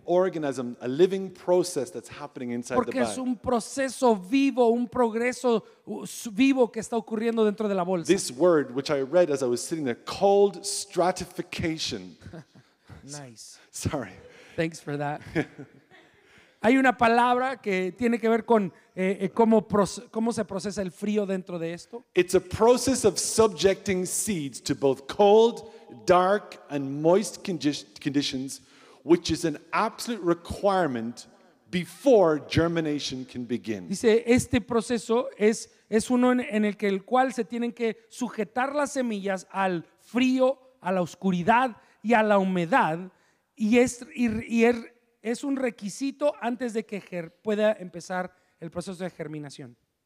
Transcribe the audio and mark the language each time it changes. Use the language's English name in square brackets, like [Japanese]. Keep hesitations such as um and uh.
[English] organism, a living process that's happening inside [Spanish] Porque [English] the bag. [Spanish] Porque es un proceso vivo, un progreso vivo de [English] This word which I read as I was sitting there called stratification. nice. Sorry. Thanks for that. [Spanish] hay una palabra que tiene que ver con eh, eh, cómo, cómo se procesa el frío dentro de esto. [English] It's a process of subjecting seeds to both cold, dark and moist conditions, which is an absolute requirement before germination can begin. [Spanish] Dice, este proceso es, es uno en, en el, que el cual se tienen que sujetar las semillas al frío, a la oscuridad y a la humedad y es, y, y es er, es un requisito antes de que pueda empezar el proceso de germinación.